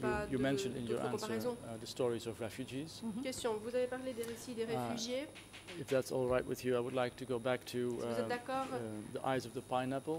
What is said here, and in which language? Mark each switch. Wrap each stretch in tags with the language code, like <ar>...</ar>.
<en>You mentioned in your answer the stories of refugees. Mm-hmm.</en> <fr>Question, vous avez parlé des récits des réfugiés.</fr> <en>If that's all right with you, I would like to go back to the eyes of the pineapple,</en>